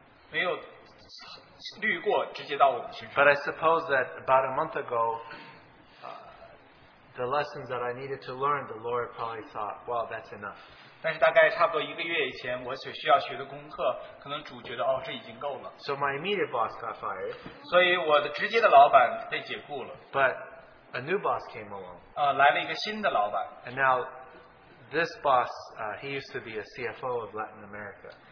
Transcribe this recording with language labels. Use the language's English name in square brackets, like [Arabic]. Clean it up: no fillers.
[Chinese] 所以从大老板来的那些压力就没有滤过直接到我们身上。 [English] But I suppose that about a month ago, the lessons that I needed to learn, the Lord probably thought, well, that's enough. [Chinese] 但是大概差不多一个月以前，我所需要学的功课，可能主觉得哦，这已经够了。 [English] So my immediate boss got fired. [Chinese] 所以我的直接的老板被解雇了。 [English] But a new boss came along. [Chinese] 来了一个新的老板。 [English] And now this boss, he used to be a CFO of Latin America.